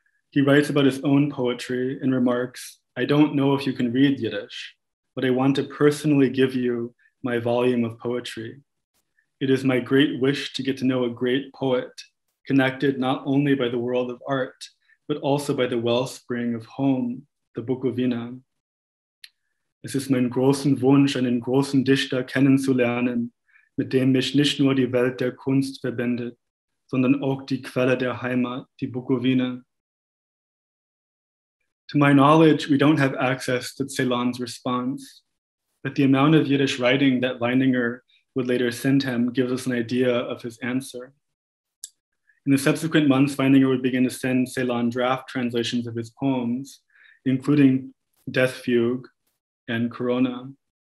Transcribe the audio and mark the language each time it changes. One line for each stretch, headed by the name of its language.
English: He writes about his own poetry and remarks, "I don't know if you can read Yiddish, but I want to personally give you my volume of poetry. It is my great wish to get to know a great poet connected not only by the world of art, but also by the wellspring of home, the Bukovina.
German: Es ist mein großen Wunsch, einen großen Dichter kennenzulernen, mit dem mich nicht nur die Welt der Kunst verbindet, sondern auch die Quelle der Heimat, die Bukovina."
English: To my knowledge, we don't have access to Celan's response, but the amount of Yiddish writing that Weininger would later send him gives us an idea of his answer. In the subsequent months, Weininger would begin to send Celan draft translations of his poems, including Death Fugue and Corona.